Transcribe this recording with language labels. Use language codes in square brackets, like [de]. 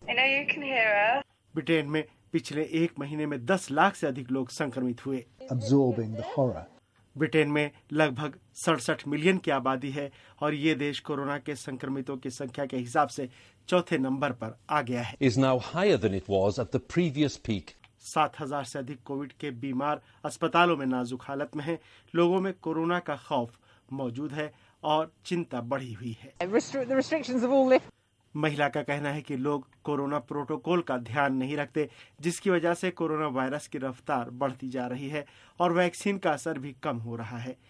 [hi] Britain में पिछले 1 महीने में 10 लाख से अधिक लोग संक्रमित हुए। ब्रिटेन में लगभग 67 मिलियन की आबादी है और ये देश कोरोना के संक्रमितों की संख्या के हिसाब से 4th पर आ गया है। [en] Is now higher than it was at the previous peak. [hi] 7,000 से अधिक कोविड के बीमार अस्पतालों में नाजुक हालत में हैं। लोगों में कोरोना का खौफ मौजूद है और चिंता बढ़ी हुई है। महिला का कहना है कि लोग कोरोना प्रोटोकॉल का ध्यान नहीं रखते, जिसकी वजह से कोरोना वायरस की रफ्तार बढ़ती जा रही है और वैक्सीन का असर भी कम हो रहा है।